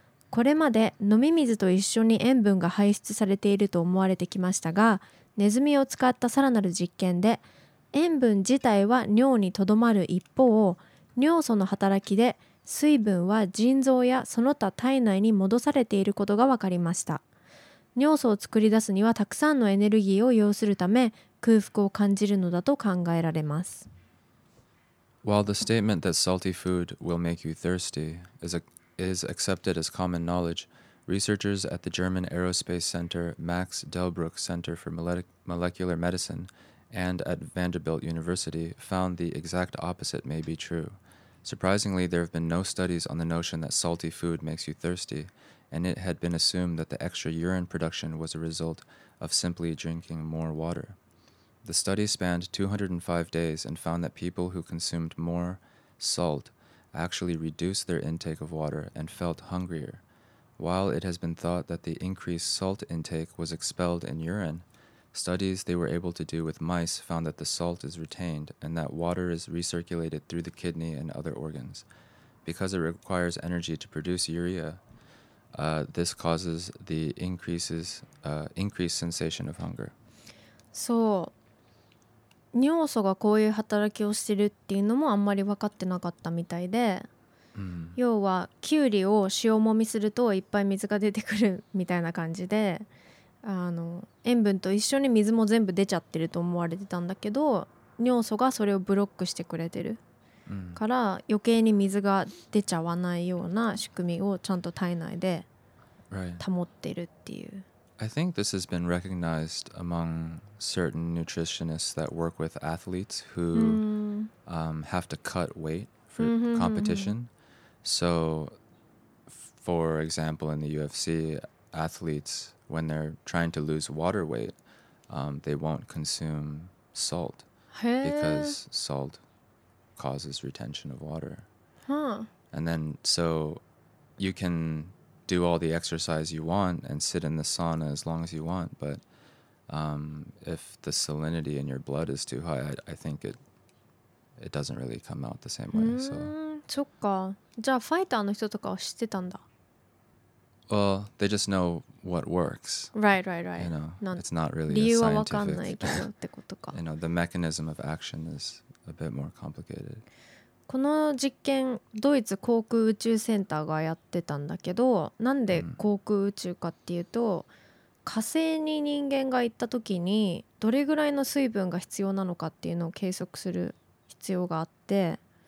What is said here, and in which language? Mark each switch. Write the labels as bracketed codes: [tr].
[ja] これまで飲み水と一緒に塩分が排出されていると思われてきましたが、ネズミを使ったさらなる実験で塩分自体は尿にとどまる一方、尿素の働きで水分は腎臓やその他体内に戻されていることが分かりました。尿素を作り出すにはたくさんのエネルギーを要するため空腹を感じるのだと考えられます。 [en] While the statement that salty food will make you thirsty is accepted as common knowledge, researchers at the German Aerospace Center Max Delbruck Center for Molecular Medicineand at Vanderbilt University found the exact opposite may be true. Surprisingly, there have been no studies on the notion that salty food makes you thirsty, and it had been assumed that the extra urine production was a result of simply drinking more water. The study spanned 205 days and found that people who consumed more salt actually reduced their intake of water and felt hungrier. While it has been thought that the increased salt intake was expelled in urine,Studies they were able to do with mice found that the salt is retained and that water is recirculated through the kidney and other organs. Because it requires energy to produce urea, this causes the increased sensation of hunger. [ja] そう、尿素がこういう働きをしてるっていうのもあんまり分かってなかったみたいで、要はキュウリを塩もみするといっぱい水が出てくるみたいな感じで、あの塩分と一緒に水も全部出ちゃってると思われてたんだけど、尿素がそれをブロックしてくれてる、から余計に水が出ちゃわないような仕組みをちゃんと体内で保ってるっていう、 [en] I think this has been recognized among certain nutritionists that work with athletes who、have to cut weight for competition. So for example in the UFC, athletesWhen they're trying to lose water weight, they won't consume salt because salt causes retention of water. And then, so you can do all the exercise you want and sit in the sauna as long as you want, but if the salinity in your blood is too high, I think it doesn't really come out the same way. [ja] そっか。じゃあファイターの人とかは知ってたんだ。 [en] Well, they just know what works. Right, right, right. You know, it's not really a scientific... [ja] 理由は分かんないけどってことか。 [en] You know, the mechanism of action is a bit more complicated. [ja] この実験、ドイツ航空宇宙センターがやってたんだけど、なんで航空宇宙かっていうと、火星に人間が行った時にどれぐらいの水分が必要なのかっていうのを計測する必要があって、